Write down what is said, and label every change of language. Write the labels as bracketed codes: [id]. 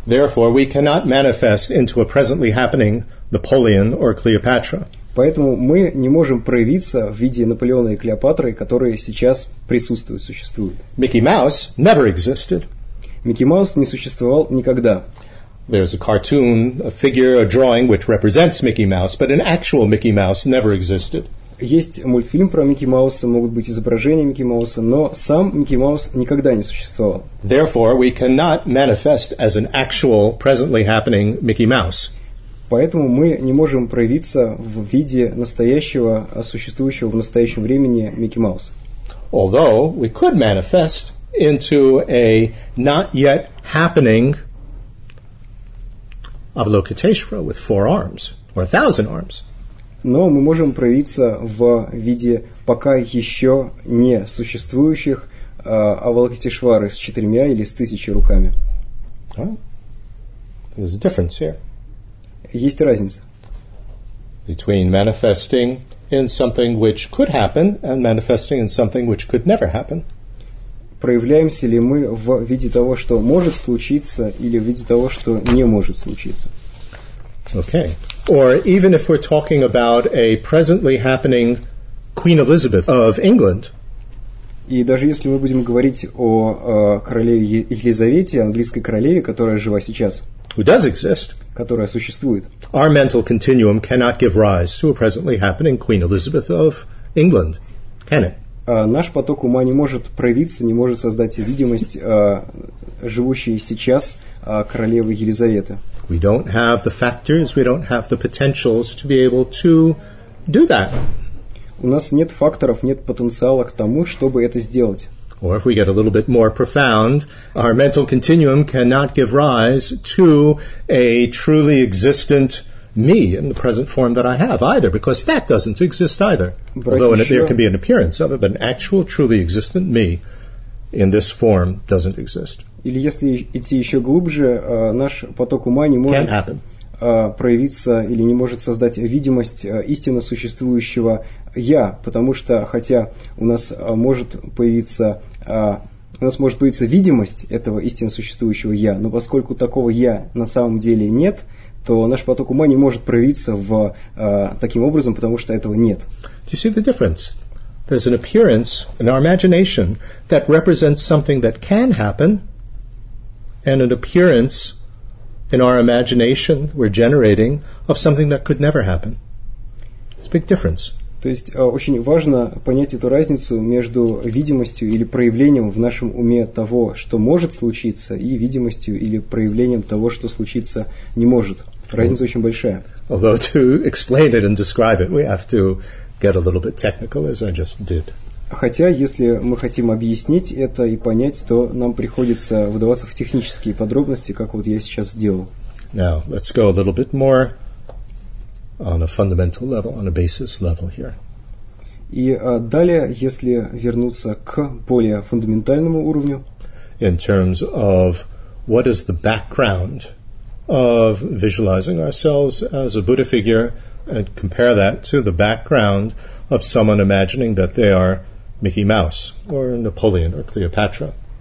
[en] Therefore, we cannot manifest into a presently happening Napoleon or Cleopatra. [ru] Поэтому мы не можем проявиться в виде Наполеона и Клеопатры, которые сейчас присутствуют, существуют. [en] Микки Маус never existed. [ru] Микки Маус не существовал никогда. [en] There's a cartoon, a figure, a drawing which represents Mickey Mouse, but an actual Mickey Mouse never existed. [ru] Есть мультфильм про Микки Мауса, могут быть изображения Микки Мауса, но сам Микки Маус никогда не существовал. [en] Therefore, we cannot manifest as an actual, presently happening Mickey Mouse. [ru] Поэтому мы не можем проявиться в виде настоящего, существующего в настоящем времени Микки Мауса. [en] Although we could manifest into a not yet happening Avalokiteshvara with four arms or a thousand arms. [ru] Но мы можем проявиться в виде пока еще не существующих Авалокитешвары с четырьмя или с тысячей руками. [en] Well, there's a difference here. [ru] Есть разница. [en] Between manifesting in something which could happen and manifesting in something which could never happen. [ru] Проявляемся ли мы в виде того, что может случиться, или в виде того, что не может случиться? [en] Okay. Or even if we're talking about a presently happening Queen Elizabeth of England. [ru] И даже если мы будем говорить о королеве Елизавете, английской королеве, которая жива сейчас. [en] Who does exist? [ru] Которая существует. [en] Our mental continuum cannot give rise to a presently happening Queen Elizabeth of England, can it? [ru] Наш поток ума не может проявиться, не может создать видимость живущей сейчас королевы Елизаветы. [en] We don't have the factors, we don't have the potentials to be able to do that. [ru] У нас нет факторов, нет потенциала к тому, чтобы это сделать. [en] Or if we get a little bit more profound, our mental continuum cannot give rise to a truly existent me in the present form that I have either, because that doesn't exist either. There can be an appearance of it, but an actual, truly existent me in this form doesn't exist. [ru] Или если идти еще глубже, наш поток ума не может проявиться или не может создать видимость истинно существующего я, потому что хотя у нас может появиться видимость этого истинно существующего я, но поскольку такого я на самом деле нет, то наш поток ума не может проявиться в таким образом, потому что этого нет. [en] Do you see the difference? There's an appearance in our imagination that represents something that can happen, and an appearance in our imagination we're generating of something that could never happen. It's a big difference. [ru] То есть очень важно понять эту разницу между видимостью или проявлением в нашем уме того, что может случиться, и видимостью или проявлением того, что случиться не может. Разница очень большая. [en] Although to explain it and describe it, we have to get a little bit technical, as I just did. [ru] Хотя, если мы хотим объяснить это и понять, то нам приходится вдаваться в технические подробности, как вот я сейчас сделал. [en] Now, let's go a little bit more on a fundamental level, on a basis level here. [ru] И далее, если вернуться к более фундаментальному уровню. [en] In terms of what is the background of visualizing ourselves as a Buddha figure, and compare that to the background of someone imagining that they are Mickey Mouse or Napoleon or Cleopatra.